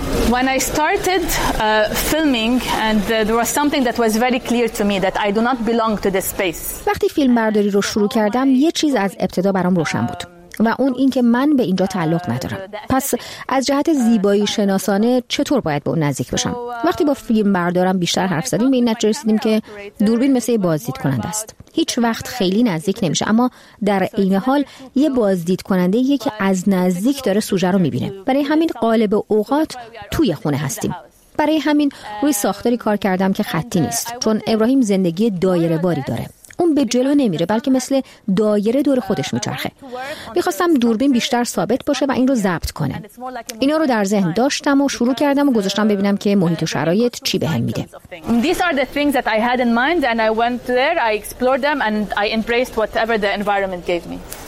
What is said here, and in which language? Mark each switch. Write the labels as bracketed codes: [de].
[en] When I started filming and there was something that was very clear to me that I do not belong to this space. [fa] وقتی فیلم برداری رو شروع کردم، یه چیز از ابتدا برام روشن بود و اون این که من به اینجا تعلق ندارم. پس از جهت زیبایی شناسانه چطور باید به اون نزدیک بشم؟ وقتی با فیلم بردارم بیشتر حرف زدیم، به این نتیجه رسیدیم که دوربین مثل بازدید کننده است. هیچ وقت خیلی نزدیک نمیشه، اما در این حال یه بازدید کننده یه که از نزدیک داره سوژه رو میبینه. برای همین غالب اوقات توی خونه هستیم. برای همین روی ساختاری کار کردم که خطی نیست، چون ابراهیم زندگی دایره باری داره. اون به جلو نمیره، بلکه مثل دایره دور خودش میچرخه. میخواستم دوربین بیشتر ثابت باشه و این رو ضبط کنه. اینا رو در ذهن داشتم و شروع کردم و گذاشتم ببینم که محیط و شرایط چی بهم میده. [en] These are the things that I had in mind and I went there, I explored them and I embraced whatever the environment gave me.